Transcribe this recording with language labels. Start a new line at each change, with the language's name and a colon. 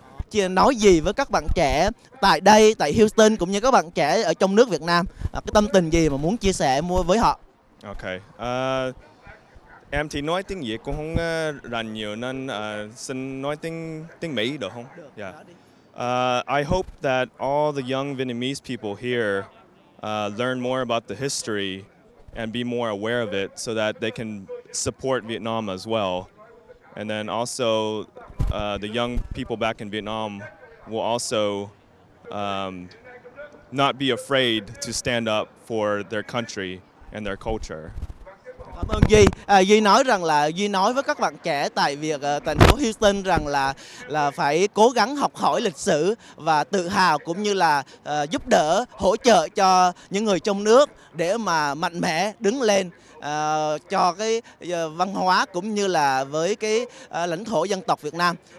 Vietnamese: Chị nói gì với các bạn trẻ tại đây, tại Houston cũng như các bạn trẻ ở trong nước Việt Nam, cái tâm tình gì mà muốn chia sẻ với họ? Ok, em thì nói tiếng Việt cũng không rành nhiều nên xin nói tiếng Mỹ được không? Được, yeah.
English: I hope that all the young Vietnamese people here learn more about the history and be more aware of it so that they can support Vietnam as well. And then also the young people back in Vietnam will also not be afraid to stand up for their country and their culture.
Vietnamese: Cảm ơn Duy. Duy nói rằng là Duy nói với các bạn trẻ tại việc thành phố Houston rằng là phải cố gắng học hỏi lịch sử và tự hào cũng như là giúp đỡ, hỗ trợ cho những người trong nước để mà mạnh mẽ đứng lên cho cái văn hóa cũng như là với cái lãnh thổ dân tộc Việt Nam.